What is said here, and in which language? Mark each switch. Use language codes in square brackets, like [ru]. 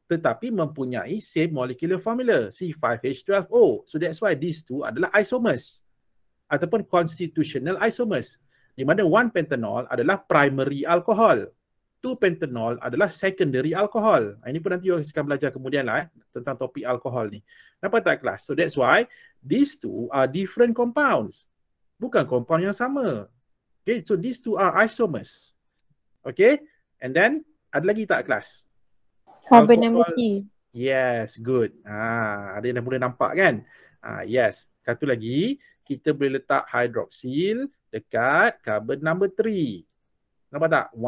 [ms] Tetapi mempunyai [en] same molecular formula, [ms] C5H12O. [en] So that's why these two adalah isomers. Ataupun constitutional isomers. [ms] Di mana 1-pentanol adalah primary alcohol. 2-pentanol adalah secondary alcohol. Ini pun nanti you akan belajar kemudian lah tentang topik alkohol ni. Nampak tak kelas? [en] So that's why these two are different compounds. [ms] Bukan compound yang sama. [en] Okay, so these two are isomers. Okay, and then [ms] ada lagi tak kelas? [en] Carbon number 3. Yes, good. [ms] Ada yang dah mula nampak kan? Yes, satu lagi kita boleh letak hidroksil dekat carbon number 3. Nampak tak?